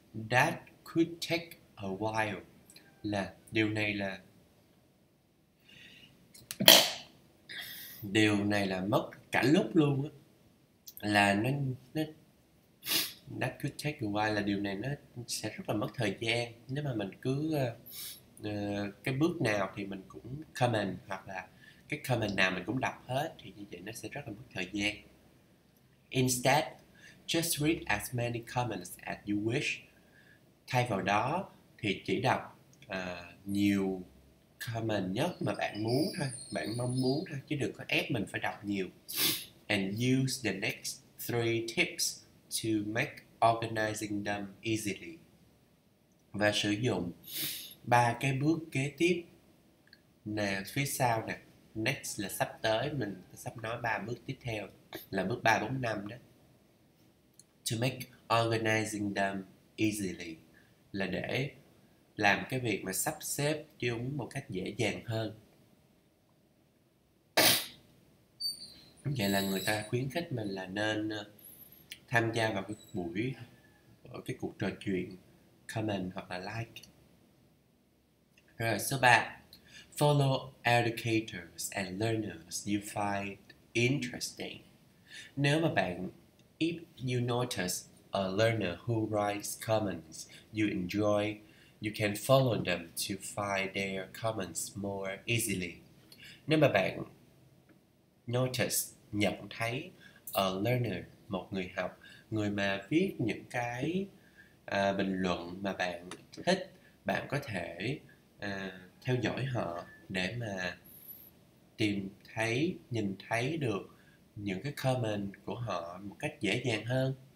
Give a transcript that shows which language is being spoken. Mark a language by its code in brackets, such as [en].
[en] That could take a while, [vi] là điều này là mất cả lúc luôn á, là nó that could take a while, là điều này nó sẽ rất là mất thời gian nếu mà mình cứ cái bước nào thì mình cũng comment, hoặc là cái comment nào mình cũng đọc hết, thì như vậy nó sẽ rất là mất thời gian. [en] Instead, just read as many comments as you wish. [vi] Thay vào đó thì chỉ đọc nhiều comment nhất mà bạn muốn thôi, bạn mong muốn thôi, chứ đừng có ép mình phải đọc nhiều. [en] And use the next three tips to make organizing them easily. [vi] Và sử dụng ba cái bước kế tiếp nè, phía sau nè, next là sắp tới, mình sắp nói ba bước tiếp theo là bước 3, 4, 5 đó. [en] To make organizing them easily [vi] là để làm cái việc mà sắp xếp chúng một cách dễ dàng hơn. Vậy là người ta khuyến khích mình là nên tham gia vào cái buổi, ở cái cuộc trò chuyện comment hoặc là like. Rồi, số 3. [en] Follow educators and learners you find interesting. [vi] Nếu mà bạn, [en] if you notice a learner who writes comments you enjoy, you can follow them to find their comments more easily. [vi] Nếu mà bạn notice, nhận thấy [en] a learner, [vi] một người học, người mà viết những cái bình luận mà bạn thích, bạn có thể theo dõi họ để mà tìm thấy, nhìn thấy được những cái comment của họ một cách dễ dàng hơn.